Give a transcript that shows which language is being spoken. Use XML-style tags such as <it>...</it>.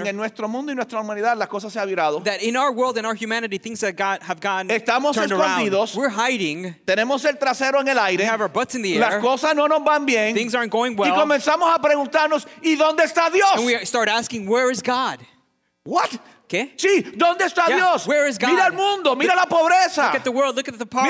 <es>Que en nuestro mundo y nuestra humanidad las cosas se han virado.</es> <en>That in our world and our humanity things that God have gone</en> <es>Estamos</es> <en>turned</en> <es>escondidos.</es> <en>Around. We're hiding.</en> <es>Tenemos el trasero en el aire.</es> <en>We have our butts in the air.</en> <es>Las cosas no nos van bien.</es> <en>Things aren't going well.</en> <es>Y comenzamos a preguntarnos, ¿y dónde está Dios?</es> <en>And we start asking, where is God? What?</en> <es>¿Qué? Sí, ¿dónde está</es> <en>yeah,</en> <es>Dios?</es> <en>Where is God?</en> <es>Mira el mundo, mira la pobreza.</es> <en>Look at the world, look at the poverty.</en>